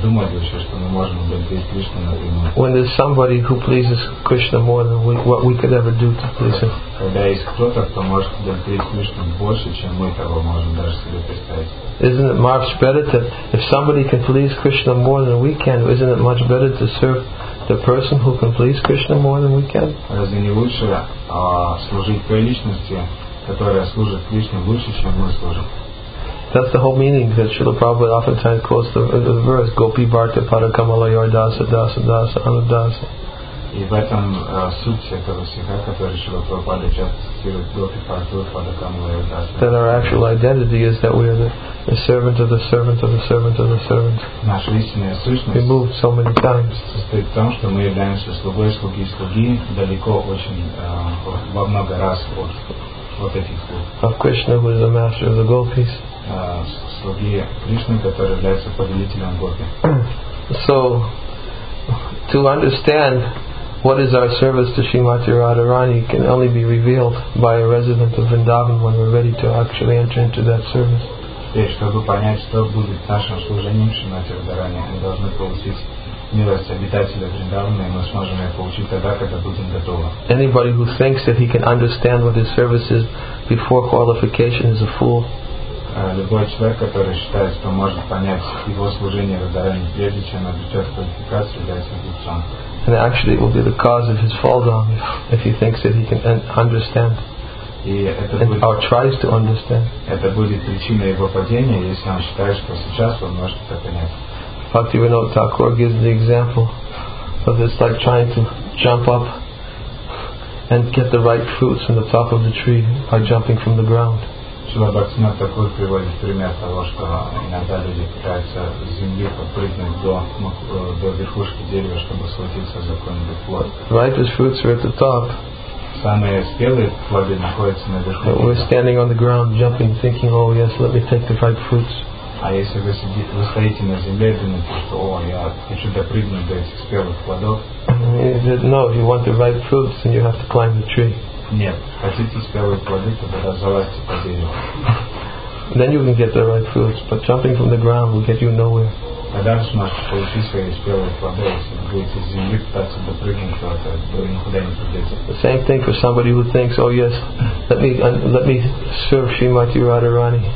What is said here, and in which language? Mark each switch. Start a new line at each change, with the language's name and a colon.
English: When there's somebody who pleases Krishna more than what we could ever do to please him. Isn't it much better to, if somebody can please Krishna more than we can, isn't it much better to serve the person who can please Krishna more than we can?
Russian: Разве не лучше служить той личности, которая служит Кришне лучше, чем мы служим?
English: That's the whole meaning that Srila Prabhupada oftentimes quotes the verse Gopi Bharta Padakamalayor Dasa Dasa Dasa Anudasa.
Russian: И в этом суть этого стиха, который Шрила Прабхупада часто цитирует, Гопи Бхартур Падакамалайор Даса.
English: That our actual identity is that we are the servant of the servant of the servant of the servant.
Russian: Наша истинная сущность.
English: We moved so many times.
Russian: Состоит в том, что мы являемся слугой, слуги и слуги далеко очень во много раз от этих слуг.
English: Of Krishna, who is the master of the gopis.
Russian: Слуги Кришны, который является повелителем гопи.
English: So to understand what is our service to Srimati Radharani can only be revealed by a resident of Vrindavan when we're ready to actually enter into that service.
Russian: И чтобы понять, что будет нашим служением Шримати Радхарани, мы должны получить милость обитателя Вриндавана, и мы сможем ее получить тогда, когда будем готовы.
English: Anybody who thinks that he can understand what his service is before qualification is a fool.
Russian: Любой человек, который считает, что может понять его служение Радхарани прежде, чем обретет квалификацию, является глупцом.
English: And actually, it will be the cause of his fall down if he thinks that he can understand or tries to understand.
Russian: Это будет причина его падения, если он считает, что сейчас он может это понять.
English: Bhaktivinoda Thakur gives the example of it's like trying to jump up and get the right fruits from the top of the tree by jumping from the ground.
Russian: Шрила Бхактивинода Такур приводит пример того, что иногда люди пытаются с земли попрыгнуть до верхушки дерева, чтобы схватиться за какой-нибудь плод.
English: Ripest fruits are at the top.
Russian: Самые спелые плоды находятся на верхушке.
English: We're standing on the ground, jumping, thinking, oh yes, let me take the ripe fruits.
Russian: А если вы стоите на земле, думаете, что о, я хочу допрыгнуть до этих спелых плодов.
English: No, you want the ripe fruits, then you have to climb the tree.
Russian: Нет, хотите спелые плоды, тогда залазьте по дереву.
English: Then you can get the right fruits, but jumping from the ground will get you nowhere. The same thing for somebody who thinks, oh yes, let me serve Srimati Radharani.